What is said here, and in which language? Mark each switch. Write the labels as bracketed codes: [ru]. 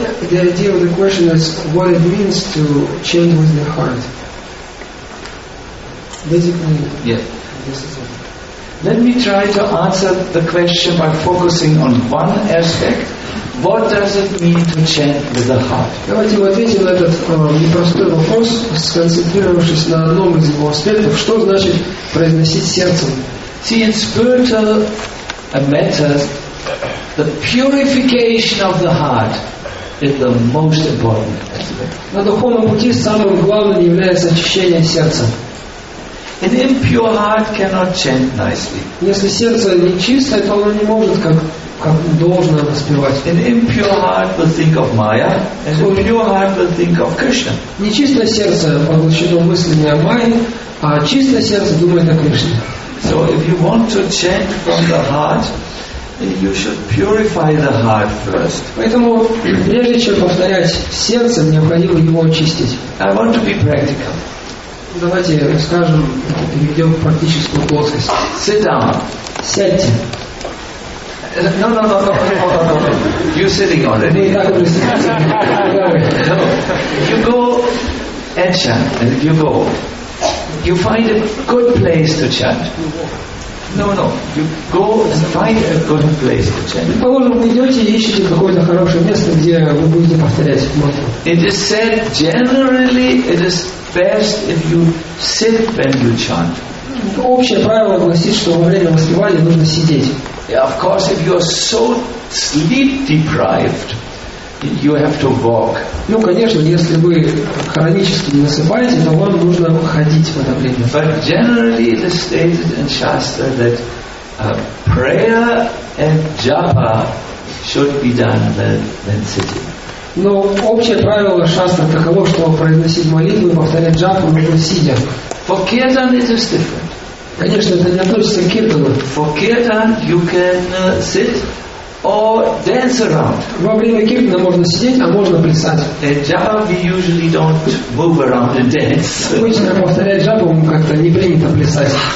[en] The idea of the question is what it means to chant with your heart. Basically, yes. This is it. Let me try to answer the question by focusing on one aspect. What does it mean to chant with the heart? [ru] Давайте ответим на этот непростой вопрос, сконцентрировавшись на одном из его аспектов. Что значит произносить сердцем? [en] See, in spiritual matters, the purification of the heart in the most important aspect. An impure heart cannot chant nicely. An impure heart will think of Maya, and a pure heart will think of Krishna. [ru] Нечистое сердце поглощено мыслями о Майе, а чистое сердце думает о Кришне. [en] So if you want to chant from the heart, you should purify the heart first. [ru] Поэтому прежде чем повторять сердце, необходимо его очистить. [en] I want to be practical. [ru] Давайте расскажем, перейдем в практическую плоскость. [en] Sit down. [ru] Сядьте. [en] No. You're sitting on it. You go and chant, and you go. You find a good place to chant. No. You go and find a good place to chant. [ru] Положим, идете и ищете какое-то хорошее место, где вы будете повторять мантру. [en] It is said generally it is best if you sit when you chant. [ru] Общее правило гласит, что во время воспевания нужно сидеть. [en] Yeah, of course, if you are so sleep deprived, you have to walk. [ru] Ну, конечно, если вы хронически не засыпаете, то вам нужно ходить в это время. [en] But generally, it is stated in Shastra that prayer and japa should be done than sitting. [ru] Но общее правило Шастры таково, что произносить молитву и повторять джапу нужно сидя. [en] For kirtan, it is different. [ru] Конечно, это не относится к киртану. [en] For kirtan you can sit or dance around. [ru] Во время киртана можно сидеть, а можно плясать. [en] In japa we usually don't move around and dance. [ru] Обычно повторять джапу как-то не принято плясать.